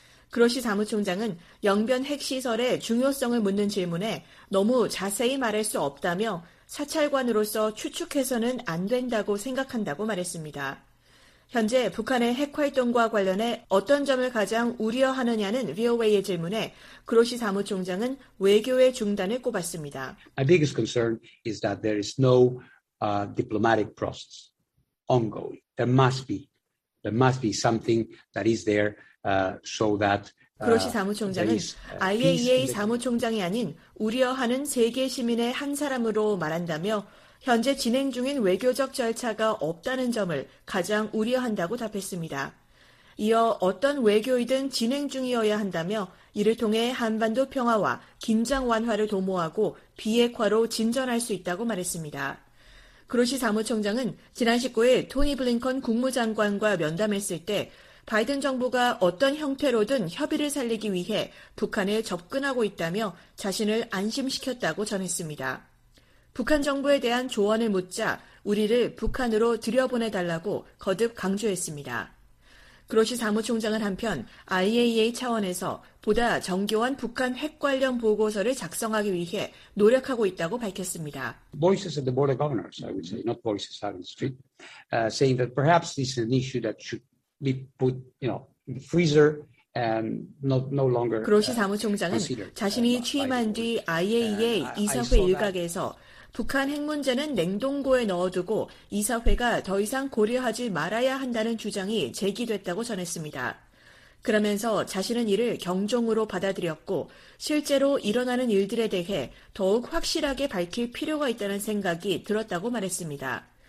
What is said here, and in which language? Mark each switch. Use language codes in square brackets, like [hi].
[ko] 그로시 사무총장은 영변 핵시설의 중요성을 묻는 질문에 너무 자세히 말할 수 없다며 사찰관으로서 추측해서는 안 된다고 생각한다고 말했습니다. 현재 북한의 핵활동과 관련해 어떤 점을 가장 우려하느냐는 VOA의 질문에 그로시 사무총장은 외교의 중단을 꼽았습니다. [en] My biggest concern is that there is no diplomatic process ongoing. There must be something that is there so that [ko] 그로시 사무총장은 IAEA 사무총장이 아닌 우려하는 세계 시민의 한 사람으로 말한다며 현재 진행 중인 외교적 절차가 없다는 점을 가장 우려한다고 답했습니다. 이어 어떤 외교이든 진행 중이어야 한다며 이를 통해 한반도 평화와 긴장 완화를 도모하고 비핵화로 진전할 수 있다고 말했습니다. 그로시 사무총장은 지난 19일 토니 블링컨 국무장관과 면담했을 때 바이든 정부가 어떤 형태로든 협의를 살리기 위해 북한에 접근하고 있다며 자신을 안심시켰다고 전했습니다. 북한 정부에 대한 조언을 묻자 우리를 북한으로 들여보내달라고 거듭 강조했습니다. 그로시 사무총장은 한편 IAEA 차원에서 보다 정교한 북한 핵 관련 보고서를 작성하기 위해 노력하고 있다고 밝혔습니다. [en] Voices at the board of governors, I would say, not voices out in the street, saying that perhaps this is an issue that should be put, you know, in the freezer. No longer, [ko] 그로시 사무총장은 자신이 취임한 뒤 IAEA 이사회 일각에서 북한 핵 문제는 냉동고에 넣어두고 이사회가 더 이상 고려하지 말아야 한다는 주장이 제기됐다고 전했습니다. 그러면서 자신은 이를 경종으로 받아들였고 실제로 일어나는 일들에 대해 더욱 확실하게 밝힐 필요가 있다는 생각이 들었다고 말했습니다.